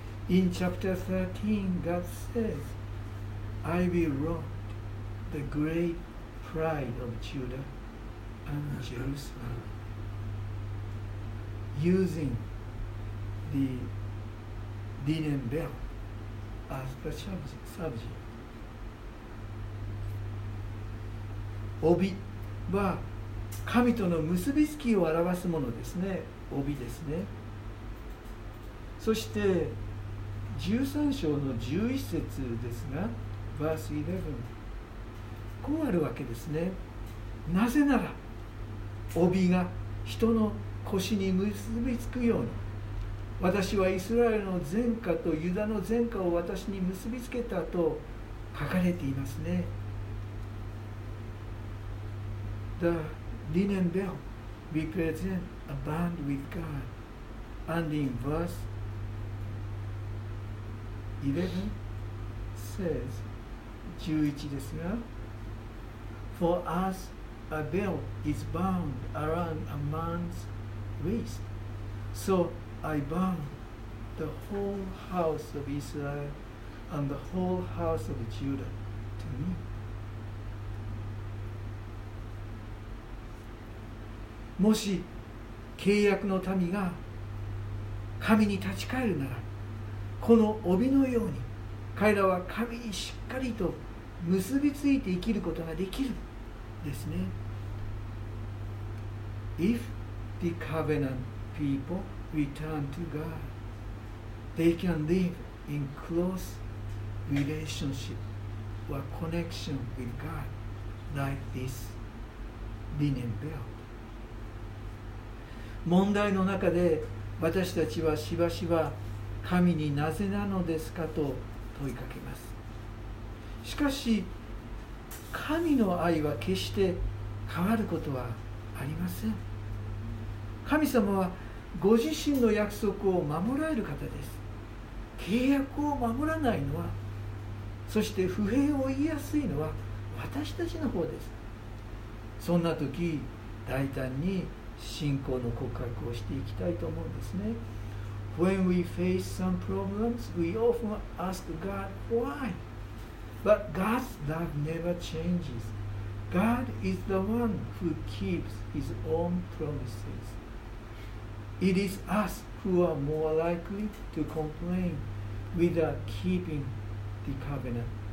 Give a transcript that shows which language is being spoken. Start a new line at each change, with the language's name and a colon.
English: In chapter 13 God saysI will rot the great pride of Judah and Jerusalem using the linen belt as the subject.
Japanese: 帯は神との結びつきを表すものですね。帯ですね。そして13章の11節ですが、
English: Verse 11.
Japanese: こうあるわけですね。なぜなら帯が人の腰に結びつくように、私はイスラエルの前科とユダの前科を私に結びつけたと書かれていますね。
English: The linen belt represents a band with God. And in verse 11 says,
Japanese: 11ですが、
English: For us a belt is bound around a man's waist, so I bound the whole house of Israel and the whole house of Judah to me.
Japanese: もし契約の民が神に立ち返るなら、この帯のように彼らは神にしっかりと結びついて生きることができるですね。
English: If the covenant people return to God, they can live in close relationship or connection with God like this linen belt.
Japanese: 問題の中で私たちはしばしば神になぜなのですかと問いかけます。しかし神の愛は決して変わることはありません。神様はご自身の約束を守られる方です。契約を守らないのは、そして不平を言いやすいのは私たちの方です。そんな時、大胆に信仰の告白をしていきたいと思うんですね。
English: When we face some problems, we often ask God why. But God's love never changes. God is the one who keeps his own promises. It is us who are more likely to complain without keeping the covenant.